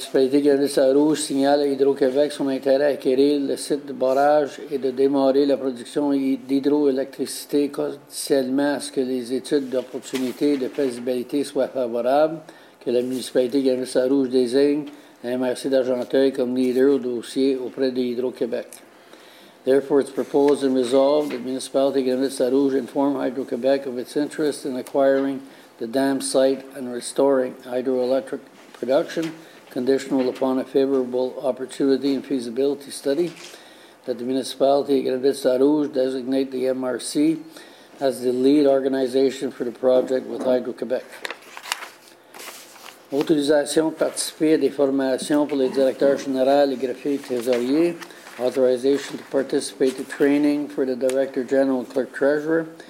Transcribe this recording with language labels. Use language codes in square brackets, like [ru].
[fr] La municipalité de Grenville-Sarrouge signale à Hydro-Québec son intérêt à acquérir le site de barrage et de démarrer la production d'hydroélectricité conditionnellement à ce que les études d'opportunité et de faisabilité soient favorables, que la municipalité de Grenville-Sarrouge désigne la MRC d'Argenteuil comme leader au dossier auprès de Hydro-Québec. [en] Therefore, it's proposed and resolved that the municipality of Grenville-Sarrouge inform Hydro-Québec of its interest in acquiring the dam site and restoring hydroelectric production, conditional upon a favorable opportunity and feasibility study, that the municipality of Grenville-Sarrouge designate the MRC as the lead organization for the project with Hydro-Québec. [fr] Autorisation de participer à des formations pour les directeurs généraux et greffiers trésoriers. [en] Authorization to participate in training for the Director General and Clerk Treasurer.